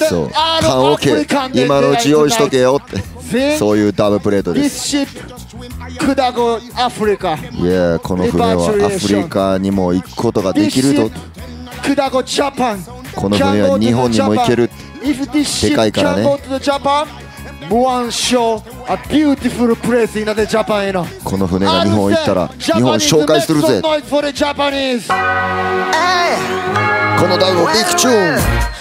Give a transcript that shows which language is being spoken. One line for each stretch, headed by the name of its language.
English: so, out of Africa.
Japanese: 今のうち用意しとけよってそういうダブプレートです。
English: This ship could go Africa.
Japanese: Yeah, この船はアフリカにも行くことができると。
English: This ship could go Japan.
Japanese: この船は日本にも行ける。
English: If this ship
Japanese: でかいからね。
English: can go to Japan, one show a beautiful place in the Japan, you know.
Japanese: この船が日本行ったら日本紹介するぜ。
English: Japanese make some noise for the Japanese.
Japanese: このダブをビッグチューン。